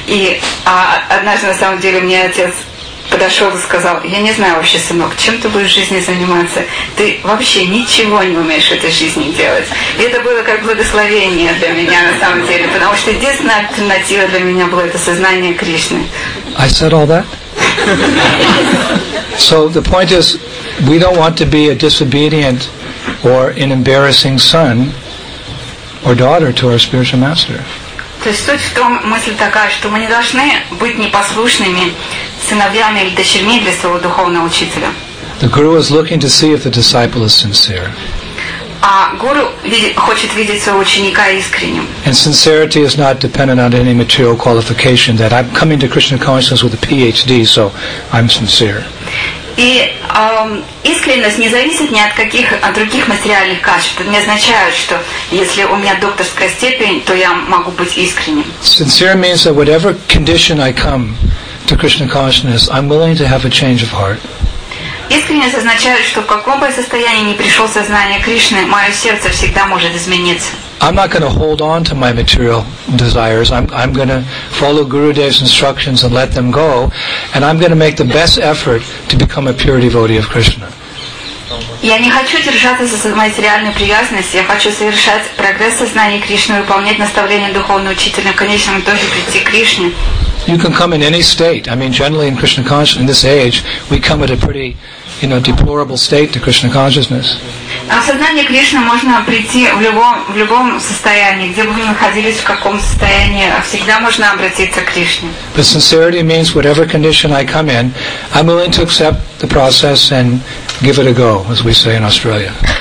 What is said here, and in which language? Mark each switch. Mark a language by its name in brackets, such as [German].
[Russian] И однажды, на самом деле, мне отец подошел и сказал, я не знаю вообще, сынок, чем ты будешь в жизни заниматься? Ты вообще ничего не умеешь в этой жизни делать. И это было как благословение для меня, на самом деле, потому что единственная альтернатива для меня была это сознание Кришны. [English] I said all that? So the point is, we don't want to be a disobedient or an embarrassing son or daughter to our spiritual master. [Russian] То есть суть в том, мысль такая, что мы не должны быть непослушными сыновьями или дочерьми для своего духовного учителя. [English] The guru is looking to see if the disciple is sincere. [Russian] А гуру хочет видеть своего ученика искренним. [English] And sincerity is not dependent on any material qualification that I'm coming to Krishna consciousness with a PhD, so I'm sincere. [Russian] И искренность не зависит ни от каких от других материальных качеств. Это не означает, что если у меня докторская степень, то я могу быть искренним. [English] Sincere means that whatever condition I come to Krishna consciousness, I'm willing to have a change of heart. [Russian] Искренность означает, что в каком бы состоянии ни пришел сознание Кришны, мое сердце всегда может измениться. [English] I'm not going to hold on to my material desires. I'm going to follow Gurudev's instructions and let them go, and I'm going to make the best effort to become a pure devotee of Krishna. [Russian] Я не хочу держаться за материальную привязанность. Я хочу совершать прогресс сознания Кришны, выполнять наставления духовного учителя, в конечном итоге прийти к Кришне. [English] You can come in any state. I mean, generally in Krishna consciousness, in this age, we come at a pretty, you know, deplorable state to Krishna consciousness. [Russian] А в сознание Кришны можно прийти в любом состоянии, где бы вы находились, в каком состоянии, всегда можно обратиться к Кришне. [English] But sincerity means whatever condition I come in, I'm willing to accept the process and give it a go, as we say in Australia.